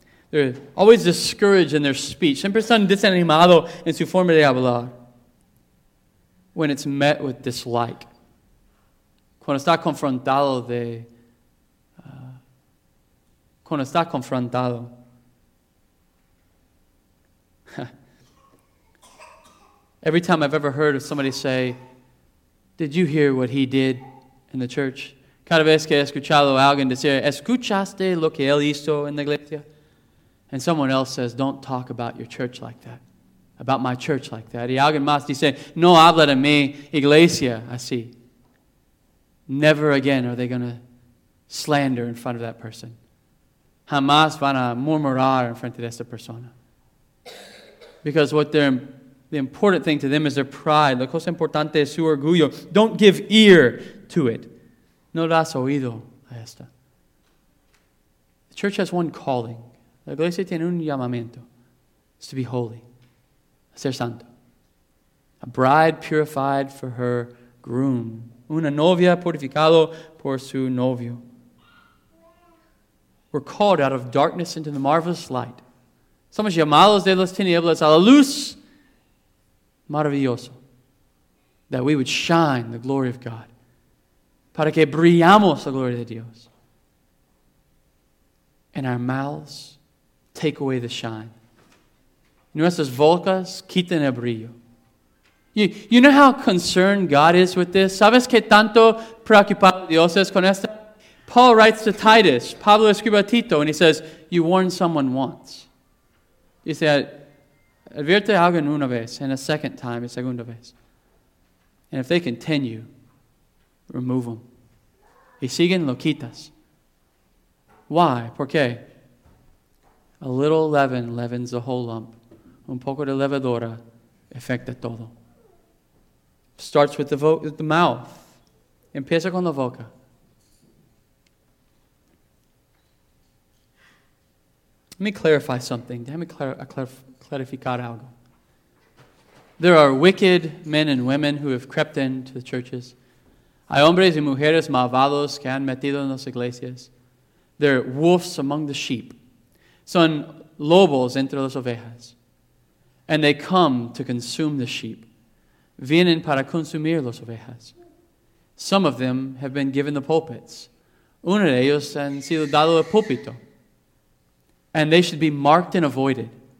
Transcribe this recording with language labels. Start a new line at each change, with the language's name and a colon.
English: They're always discouraged in their speech.
Spanish: Siempre están desanimado en su forma de hablar.
English: When it's met with dislike.
Spanish: Cuando está confrontado de... Cuando está confrontado.
English: Every time I've ever heard of somebody say, did you hear what he did in the church?
Spanish: Cada vez que he escuchado a alguien decir, ¿escuchaste lo que él hizo en la iglesia?
English: And someone else says, don't talk about your church like that. About my church like that.
Spanish: Y alguien más dice, no habla de mi iglesia así.
English: Never again are they going to slander in front of that person.
Spanish: Jamás van a murmurar en frente de esa persona.
English: Because what they're... The important thing to them is their pride.
Spanish: La cosa importante es su orgullo. Don't give ear to it. No das oído a esta.
English: The church has one calling.
Spanish: La iglesia tiene un llamamiento.
English: It's to be holy.
Spanish: Ser santo.
English: A bride purified for her groom.
Spanish: Una novia purificado por su novio.
English: We're called out of darkness into the marvelous light.
Spanish: Somos llamados de las tinieblas a la luz.
English: Maravilloso, that we would shine the glory of God.
Spanish: Para que brillamos la gloria de Dios.
English: And our mouths take away the shine.
Spanish: Nuestras bocas quiten el brillo.
English: You know how concerned God is with this?
Spanish: ¿Sabes qué tanto preocupado Dios es con esto?
English: Paul writes to Titus,
Spanish: Pablo escribe a Tito,
English: and he says, you warn someone once. He said,
Spanish: advierte algo en una vez,
English: and a second time,
Spanish: a segunda vez.
English: And if they continue, remove them.
Spanish: Y siguen lo quitas.
English: Why?
Spanish: ¿Por qué?
English: A little leaven leavens the whole lump.
Spanish: Un poco de levadura afecta todo.
English: Starts with the mouth.
Spanish: Empieza con la boca.
English: Let me clarify something.
Spanish: Clarificar algo.
English: There are wicked men and women who have crept into the churches.
Spanish: Hay hombres y mujeres malvados que han metido en las iglesias.
English: They're wolves among the sheep.
Spanish: Son lobos entre las ovejas.
English: And they come to consume the sheep.
Spanish: Vienen para consumir las ovejas.
English: Some of them have been given the pulpits.
Spanish: Uno de ellos han sido dado el púlpito.
English: And they should be marked and avoided.